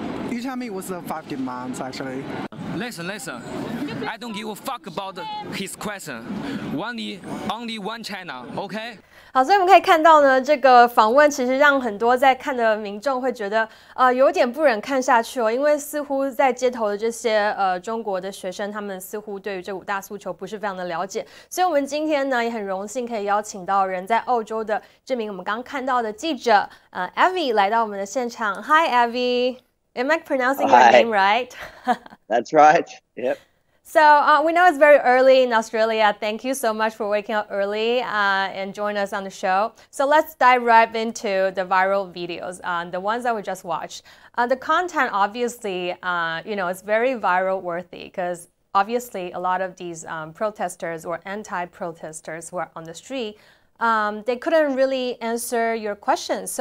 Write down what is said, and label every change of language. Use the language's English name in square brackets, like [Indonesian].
[English] You tell me what's the five demands, actually. Listen. I don't give a fuck about his question. Only one China, okay? [Chinese] 好，所以我们可以看到呢，这个访问其实让很多在看的民众会觉得，有点不忍看下去哦，因为似乎在街头的这些中国的学生，他们似乎对于这五大诉求不是非常的了解。所以，我们今天呢，也很荣幸可以邀请到人在澳洲的这名我们刚看到的记者，Avi 来到我们的现场。 [English] Hi, Avi. Am I pronouncing your name right? That's right. Yep. So we know it's very early in Australia. Thank you so much for waking up early and join us on the show. So let's dive right into the viral videos, the ones that we just watched. The content, obviously, it's very viral worthy because obviously a lot of these protesters or anti-protesters who are on the street, they couldn't really answer your questions.